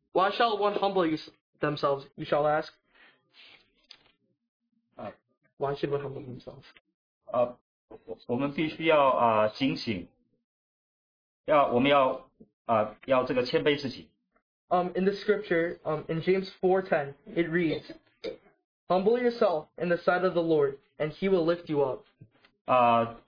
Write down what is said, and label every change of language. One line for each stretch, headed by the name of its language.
English: why shall one humble themselves, you shall ask? Why should one humble themselves?
Chinese: 我们必须要警醒，要这个谦卑自己。
English: In the scripture, in James 4:10, it reads, "Humble yourself in the sight of the Lord, and He will lift you up."